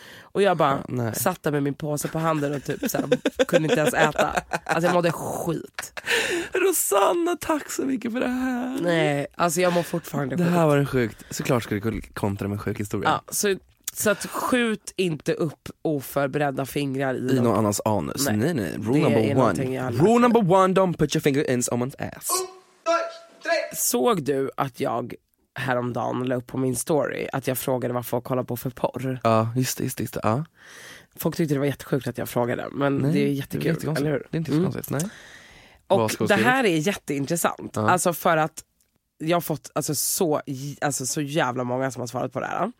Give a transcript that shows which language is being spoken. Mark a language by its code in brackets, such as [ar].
[sv] Och jag bara satt där med min påse på handen och typ så här, kunde inte ens äta. Alltså jag mådde skit. Rosanna, tack så mycket för det här. Nej, alltså jag mår fortfarande skit. Det här var en sjukt, såklart skulle du kontra med en sjuk historia. Ja, så att skjut inte upp oförberedda fingrar i någon annans anus. Nej. [en] Rule number one. Rule number one, don't put your finger in someone's ass. [sv] Såg du att jag häromdagen la upp på min story att jag frågade vad folk kollar på för porr? Ja, just det. Ja. Folk tyckte det var jättesjukt att jag frågade, men nej, det är jättekul, det är eller hur? Det är inte så konstigt, nej. Och det här är jätteintressant. Ja. Alltså för att jag har fått så jävla många som har svarat på det här.